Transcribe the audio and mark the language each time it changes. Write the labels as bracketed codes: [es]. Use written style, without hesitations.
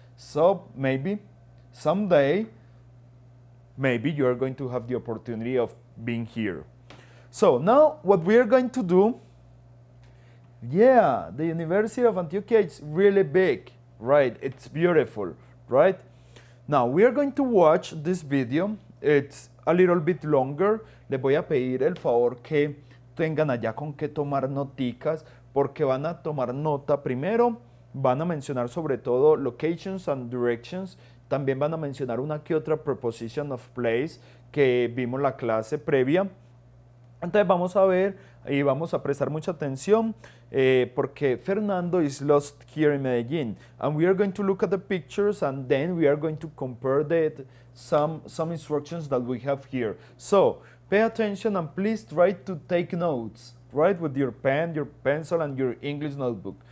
[en] So maybe someday, maybe you are going to have the opportunity of being here. So now what we are going to do, yeah, the University of Antioquia is really big, right? It's beautiful, right? Now we are going to watch this video. It's a little bit longer. [es] Les voy a pedir el favor que tengan allá con qué tomar noticas, porque van a tomar nota primero. Van a mencionar sobre todo [en] locations and directions. [es] También van a mencionar una que otra [en] preposition of place [es] que vimos la clase previa. Entonces vamos a ver y vamos a prestar mucha atención porque Fernando [en] is lost here in Medellín. And we are going to look at the pictures and then we are going to compare that some instructions that we have here. So pay attention and please try to take notes, right, with your pen, your pencil and your English notebook.